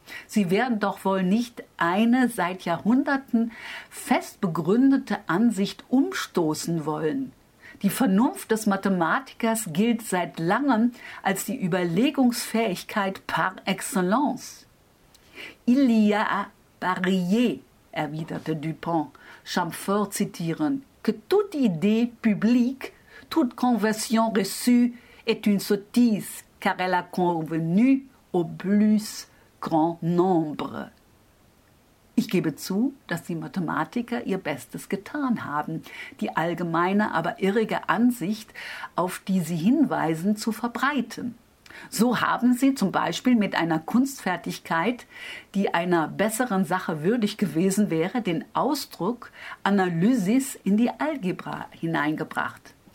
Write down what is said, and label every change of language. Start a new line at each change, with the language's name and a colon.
German: Sie werden doch wohl nicht eine seit Jahrhunderten fest begründete Ansicht umstoßen wollen.« Die Vernunft des Mathematikers gilt seit langem als die Überlegungsfähigkeit par excellence.
French: Il y a parier,
German: erwiderte Dupont, Chamfort zitierend,
French: que toute idée publique, toute conversion reçue est une sottise, car elle a convenu au plus grand nombre.
German: Ich gebe zu, dass die Mathematiker ihr Bestes getan haben, die allgemeine, aber irrige Ansicht, auf die sie hinweisen, zu verbreiten. So haben sie zum Beispiel mit einer Kunstfertigkeit, die einer besseren Sache würdig gewesen wäre, den Ausdruck Analysis in die Algebra hineingebracht.